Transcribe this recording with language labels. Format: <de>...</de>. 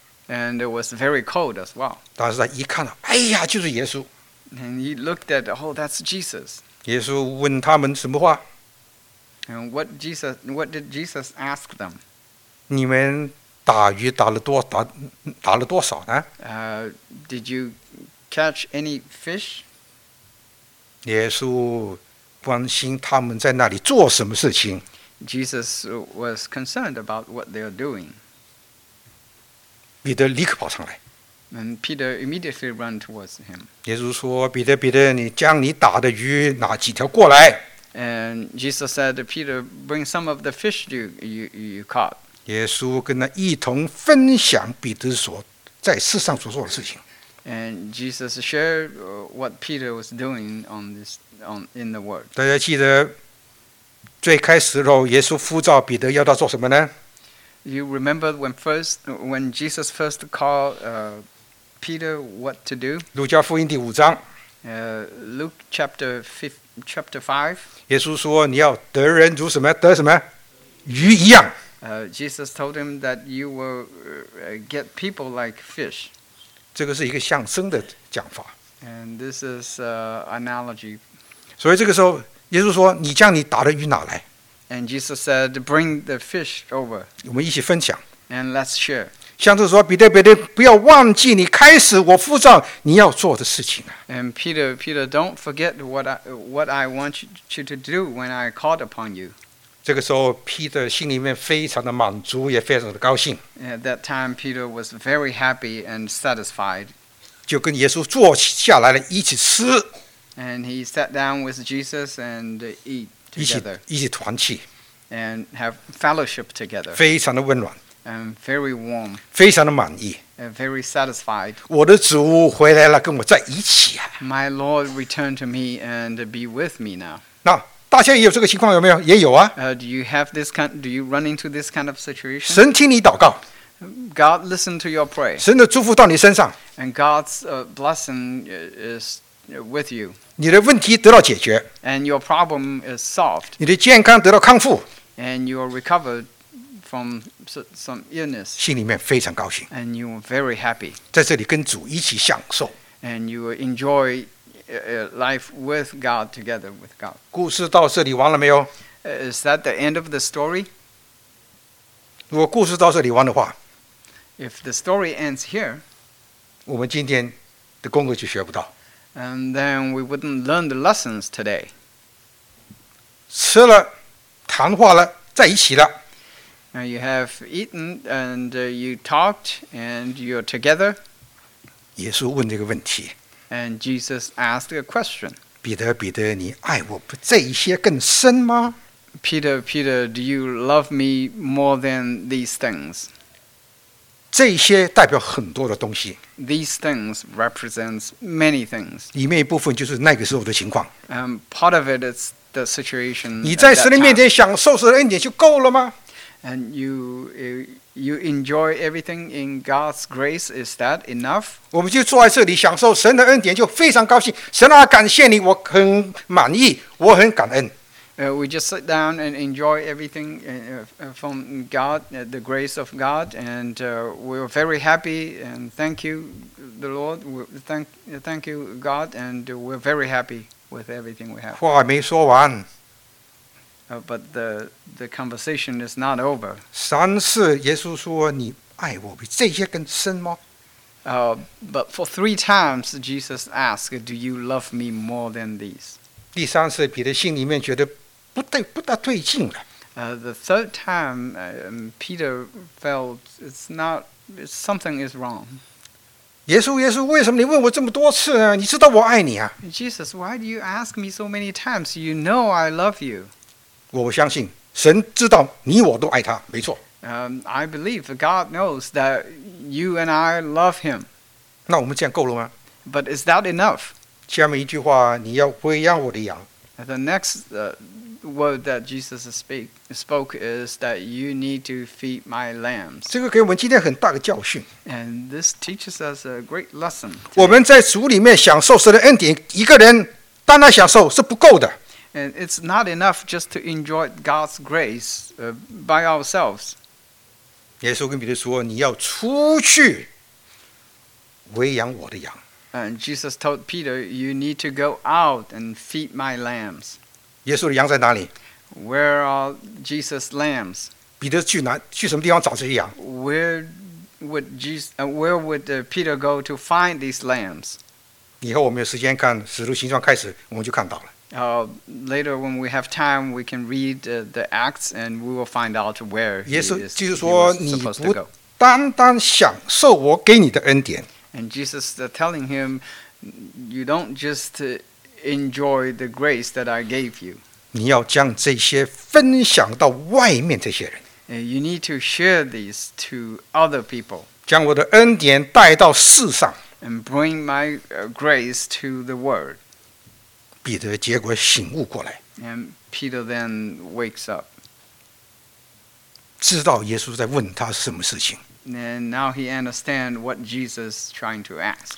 <en>And it was very cold as well.</en> <zh>但是他一看到，哎呀，就是耶稣。</zh> <en>And he looked at, oh, that's Jesus.</en> <zh>耶稣问他们什么话？</zh> <en>And what did Jesus ask them?</en> <zh>你们打鱼打了多少呢？</zh> <en>Did you catch any fish?</en> <zh>耶稣关心他们在那里做什么事情。</zh> <en>Jesus was concerned about what they are doing.</en> <zh>彼得立刻跑上来。</zh> <en>And Peter immediately ran towards him.</en> <zh>耶稣说，彼得，彼得，你将你打的鱼拿几条过来。</zh> <en>And Jesus said, Peter, bring some of the fish you caught.</en> <zh>耶稣跟他一同分享彼得所在世上所做的事情。</zh> <en>And Jesus shared what Peter was doing in the world.</en> <zh>大家记得最开始的时候耶稣呼召彼得要他做什么呢？</zh> <en>You remember when Jesus first called Peter what to do?</en> <zh>路加福音第五章。</zh> <en>Luke chapter 15. Chapter 5.</en> <zh>耶稣说你要得人如什么？得什么？鱼一样。</zh> <en>Jesus told him that you will get people like fish.</en> <zh>这个是一个象征的讲法。</zh> <en>And this is analogy.</en> <zh>所以这个时候耶稣说你将你打的鱼拿来。</zh> <en>And Jesus said bring the fish over.</en> <zh>我们一起分享。</zh> <en>And let's share.</en> <zh>像是说彼得，彼得，不要忘记你开始我呼召你要做的事情啊。</zh> <en>And Peter, Peter, don't forget what I want you to do when I called upon you.</en> <zh>这个时候 Peter 心里面非常的满足，也非常的高兴。</zh> <en>At that time, Peter was very happy and satisfied.</en> <zh>就跟耶稣坐下来了，一起吃。</zh> <en>And he sat down with Jesus and eat together.</en> <zh>一起团契。</zh> <en>And have fellowship together.</en> <zh>非常的温暖。</zh> <en>And very warm.</en> <zh>非常的满意。</zh> <en>And very satisfied.</en> <zh>我的主回来了，跟我在一起啊。</zh> <en>My Lord returned to me and be with me now.</en> <zh>那大家也有这个情况有没有？也有啊。</zh> <en>Do you have this kind? Do you run into this kind of situation?</en> <zh>神听你祷告。</zh> <en>God listened to your prayer.</en> <zh>神的祝福到你身上。</zh> <en>And God's blessing is with you.</en> <zh>你的问题得到解决。</zh> <en>And your problem is solved.</en> <zh>你的健康得到康复。</zh> <en>And you are recovered. From some illness,</en> <zh>心里面非常高兴。</zh> <en>And you were very happy.</en> <zh>在这里跟主一起享受。</zh> <en>And you enjoy life with God together with God.</en> <zh>故事到这里完了没有？</zh> <en>Is that the end of the story?</en> <zh>如果故事到这里完的话，</zh> <en>If the story ends here,</en> <zh>我们今天的功课就学不到。</zh> <en>And then we wouldn't learn the lessons today.</en> <zh>吃了，谈话了，在一起了。</zh> <en>Now you have eaten and you talked and you're together.</en> <zh>耶稣问这个问题。</zh> <en>And Jesus asked a question.</en> <zh>彼得，彼得，你爱我不这一些更深吗？</zh> <en>Peter, Peter, do you love me more than these things?</en> <zh>这些代表很多的东西。</zh> <en>These things represent many things.</en> <zh>里面一部分就是那个时候的情况。</zh> <en>Part of it is the situation.</en> <zh>你在神的面前享受神的恩典就够了吗？</zh> <en>And you enjoy everything in God's grace, is that enough?</en> <zh>我们就坐在这里享受神的恩典就非常高兴。神啊，感谢你，我很满意，我很感恩。</zh> <en>We just sit down and enjoy everything from God, the grace of God, and we're very happy, and thank you, the Lord, thank you, God, and we're very happy with everything we have.</en> <zh>话没说完。</zh> <en>But the conversation is not over.</en> <zh>三次耶稣说你爱我比这些更深吗？</zh> <en>But for three times Jesus asked, do you love me more than these?</en> <zh>第三次彼得心里面觉得不对，不大对劲了。</zh> <en>The third time, Peter felt it's not something is wrong.</en> <zh>耶稣，耶稣，为什么你问我这么多次呢？你知道我爱你啊。</zh> <en>Jesus, why do you ask me so many times? You know I love you.</en> <zh>我相信神知道你我都爱他，没错。</zh> <en>I believe God knows that you and I love him.</en> <zh>那我们这样够了吗？</zh> <en>But is that enough?</en> <zh>下面一句话，你要喂养我的羊。</zh> <en>The next word that Jesus spoke is that you need to feed my lambs.</en> <zh>这个给我们今天很大的教训。</zh> <en>And this teaches us a great lesson.</en> <zh>我们在主里面享受神的恩典，一个人单单享受是不够的。</zh> <en>And it's not enough just to enjoy God's grace by ourselves.</en> <zh>耶稣跟彼得说，你要出去喂养我的羊。</zh> <en>And Jesus told Peter, you need to go out and feed my lambs.</en> <zh>耶稣的羊在哪里？</zh> <en>Where are Jesus' lambs?</en> <zh>彼得去哪？去什么地方找这些羊？</zh> <en>Where would Peter go to find these lambs?</en> <zh>以后我们有时间看《使徒行传》开始，我们就看到了。</zh> <en>Later when we have time, we can read the Acts and we will find out where he is supposed to go.</en> <zh>耶稣就是说，你不单单享受我给你的恩典。</zh> <en>And Jesus is telling him, you don't just enjoy the grace that I gave you.</en> <zh>你要将这些分享到外面这些人。</zh> <en>You need to share these to other people.</en> <zh>将我的恩典带到世上。</zh> <en>And bring my grace to the world.</en> <zh>彼得结果醒悟过来。</zh> <en>And Peter then wakes up.</en> <zh>知道耶稣在问他什么事情。</zh> <en>And now he understands what Jesus is trying to ask.</en>